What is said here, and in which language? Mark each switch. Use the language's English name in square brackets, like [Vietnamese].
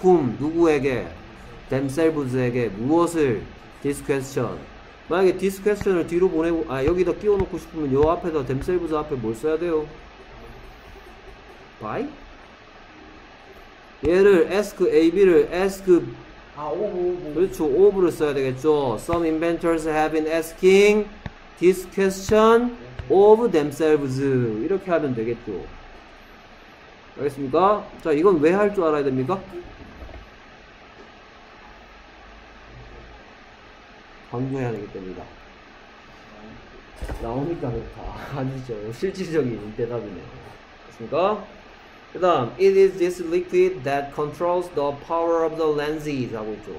[Korean] whom 누구에게 themselves에게 무엇을 [English] this question [Korean] 만약에 this question을 뒤로 보내고 아 여기다 끼워놓고 싶으면 요 앞에다 themselves 앞에 뭘 써야 돼요? by? 얘를 ask AB를 ask 아 of 그렇죠 of를 써야 되겠죠. [English] some inventors have been asking this question of themselves 이렇게 하면 되겠죠. [Korean] 알겠습니까? 자 이건 왜 할 줄 알아야 됩니까? 강조해야 되기 때문이다. 나오니까 좋다. 아니죠. 실질적인 대답이네요. 알겠습니까? [English] 그 다음 It is this liquid that controls the power of the lenses [Korean] 하고 있죠.